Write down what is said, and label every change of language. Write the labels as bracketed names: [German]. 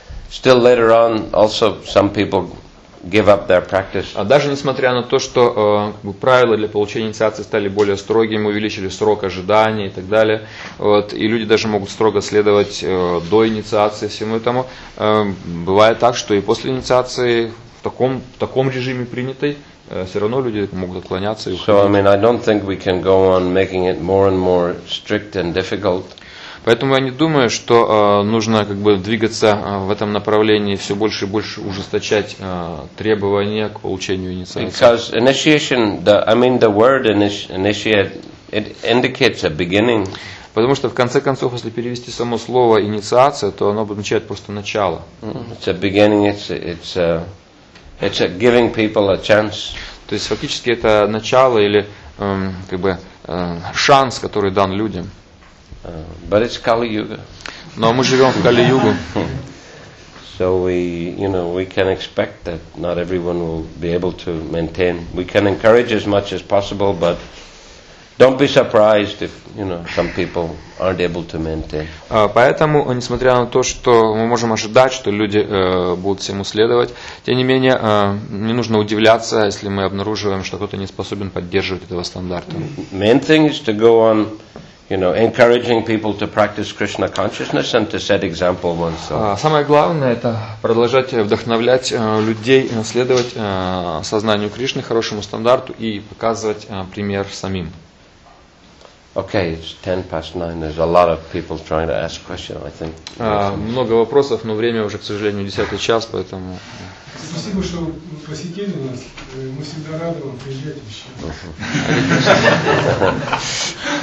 [English] Still, later on, also some people give up their practice. [Russian] Даже несмотря на то, что правила для получения инициации стали более строгими, увеличили срок ожидания и так далее, вот, и люди даже могут строго следовать до инициации всему этому, бывает так, что и после инициации в таком режиме принятой все равно люди могут отклоняться и уходить. [English] So, I mean, I don't think we can go on making it more and more strict and difficult. [Russian] Поэтому я не думаю, что нужно как бы двигаться в этом направлении, все больше и больше ужесточать требования к получению инициации. [English] Because initiation, the word initiate, it indicates a beginning. [Russian] Потому что в конце концов, если перевести само слово инициация, то оно означает просто начало. [English] It's a beginning, it's giving people a chance. [Russian] То есть фактически это начало или как бы шанс, который дан людям. [English] But it's Kali Yuga. [Russian] Но мы живем в Кали Югу. [English] So we, you know, we can expect that not everyone will be able to maintain. We can encourage as much as possible, but don't be surprised if, you know, some people aren't able to maintain. [Russian] Поэтому, несмотря на то, что мы можем ожидать, что люди будут всему следовать, тем не менее, не нужно удивляться, если мы обнаруживаем, что кто-то не способен поддерживать этого стандарта. [English] Main thing is to go on, you know, encouraging people to practice Krishna consciousness and to set example oneself. [Russian] Самое главное это продолжать вдохновлять людей следовать сознанию Кришны, хорошему стандарту и показывать пример самим. [English] Okay, it's 9:10. There's a lot of people trying to ask questions, I think. [Russian] Много вопросов, но время уже, к сожалению, 10:00, поэтому. Спасибо, что посетили нас. Мы всегда рады вам приезжать еще.